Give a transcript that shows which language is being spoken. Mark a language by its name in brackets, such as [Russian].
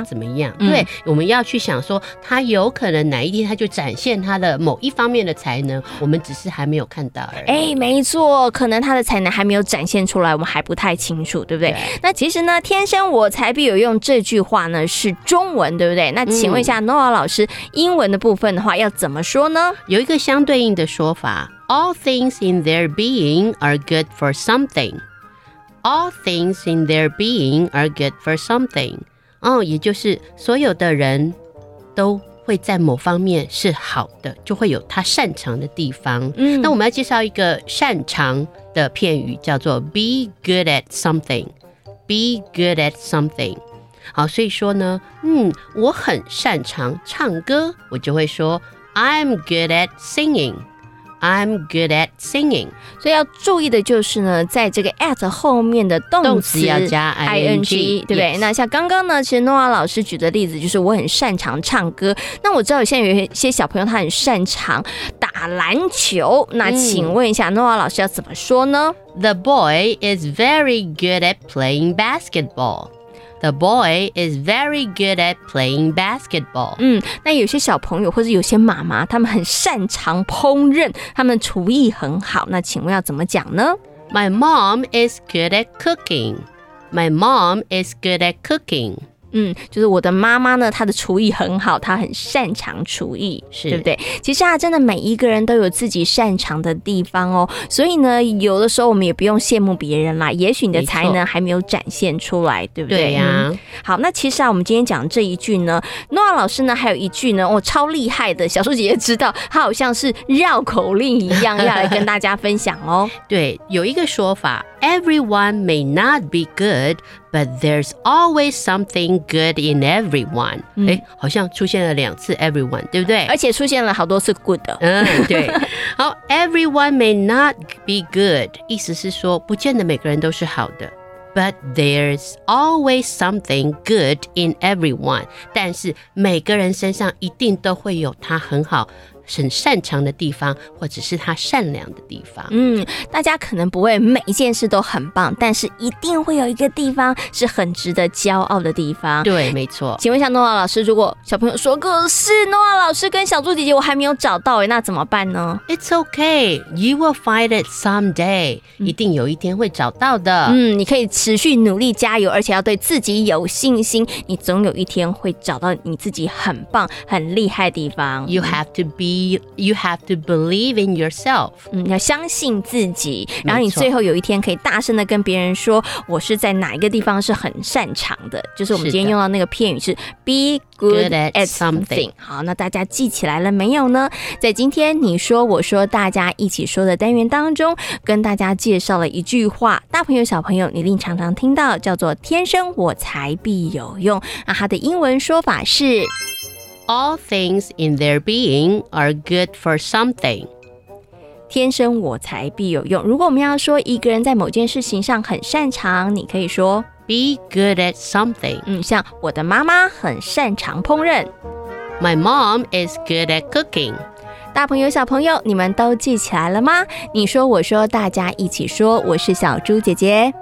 [Chinese] 怎么样，对，我们要去想说他有可能哪一天他就展现他的某一方面的才能，我们只是还没有看到而已。没错，可能他的才能还没有展现出来，我们还不太清楚，对不 对, 对，那其实呢，天生我材必有用这句话呢是中文，对不对？那请问一下 Noah 老师，英文的部分的话要怎么说呢？ [English] 有一个相对应的说法，All things in their being are good for something. All things in their being are good for something. [Chinese] 也就是所有的人都会在某方面是好的，就会有他擅长的地方。那我们要介绍一个擅长的片语，叫做 [English] be good at something. Be good at something. [Chinese] 好，所以说呢，我很擅长唱歌，我就会说 [English] I'm good at singing. I'm good at singing. [Chinese] 所以要注意的就是呢，在这个 at 后面的动词要加 ing，对不对？ [English] Yes. [Chinese] 那像刚刚呢，其实 Noah 老师举的例子就是我很擅长唱歌。那我知道现在有些小朋友他很擅长打篮球，那请问一下 Noah 老师要怎么说呢？ [English] The boy is very good at playing basketball. The boy is very good at playing basketball. [Chinese] 那有些小朋友或者有些妈妈，他们很擅长烹饪，他们厨艺很好。那请问要怎么讲呢？ [English] My mom is good at cooking. My mom is good at cooking. [Chinese] 就是我的妈妈呢，她的厨艺很好，她很擅长厨艺，是，对不对？其实啊，真的每一个人都有自己擅长的地方哦，所以呢，有的时候我们也不用羡慕别人啦，也许你的才能还没有展现出来，对不对？对呀、好，那其实啊，我们今天讲这一句呢，诺亚老师呢还有一句呢，哦，超厉害的，小树姐姐知道，她好像是绕口令一样要来跟大家分享哦。对，有一个说法， [English] Everyone may not be good,But there's always something good in everyone. [Chinese] 好像出现了两次 everyone, 对不对？而且出现了好多次 good。对。好， [English] everyone may not be good. [Chinese] 意思是说不见得每个人都是好的。 [English] But there's always something good in everyone. [Chinese] 但是每个人身上一定都会有他很好。很擅长的地方，或者是他善良的地方。大家可能不会每一件事都很棒，但是一定会有一个地方是很值得骄傲的地方。对，没错。请问一下诺亚老师，如果小朋友说，可是诺亚老师跟小猪姐姐我还没有找到，那怎么办呢？ [English] It's okay, you will find it someday. [Chinese] 一定有一天会找到的。你可以持续努力加油，而且要对自己有信心，你总有一天会找到你自己很棒很厉害的地方。 [English] You have to beYou have to believe in yourself. [Chinese] 要相信自己，然后你最后有一天可以大声的跟别人说，我是在哪一个地方是很擅长的。就是我们今天用到那个片语是 [English] be good at something。 [Chinese] 好，那大家记起来了没有呢？在今天你说我说大家一起说的单元当中，跟大家介绍了一句话，大朋友小朋友你一定常常听到，叫做天生我材必有用。那它的英文说法是。 [English] All things in their being are good for something. [Chinese] 天生我材必有用。如果我们要说一个人在某件事情上很擅长，你可以说 [English] Be good at something. [Chinese] 像我的妈妈很擅长烹饪。 [English] My mom is good at cooking. [Chinese] 大朋友小朋友，你们都记起来了吗？你说我说大家一起说，我是小猪姐姐。